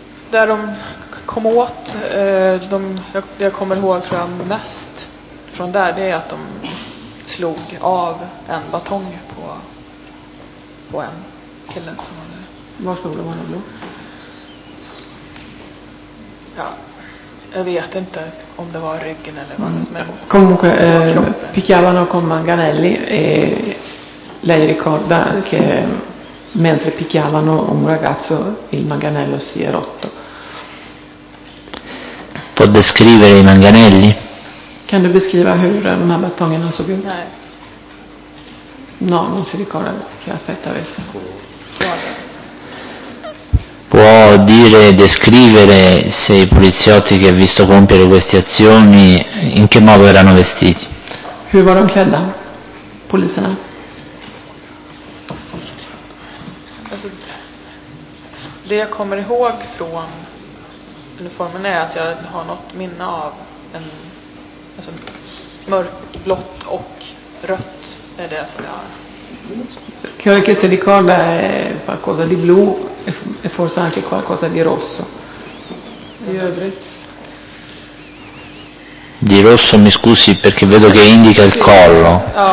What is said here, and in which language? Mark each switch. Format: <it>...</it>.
<sv>Där de kom åt, jag kommer ihåg mest från där, det är att de slog av en batong på en kille som var där. Var slog de honom då? Ja, jag vet inte om det var ryggen eller vad som är.</sv> <it>Comunque picchiavano con manganelli e lei ricorda che mentre picchiavano un ragazzo il manganello si è rotto. Può descrivere i manganelli?</it> <sv>Kan du beskriva hur de här batongerna såg ut? Nej.</sv> <it>No, non si ricorda che aspetta avesse. Può dire, descrivere se i poliziotti che ha visto compiere queste azioni in che modo erano vestiti?</it> <sv>Hur var de klädda, poliserna? Det jag kommer ihåg från uniformen är att jag har något minne av en, alltså, mörkblått och rött är det som jag har.</sv> <it>Quello che si ricorda è qualcosa di blu e forse anche qualcosa di rosso.</it> <sv>Di övrigt.</sv> <it>Di rosso, mi scusi, perché vedo che indica il collo.</it>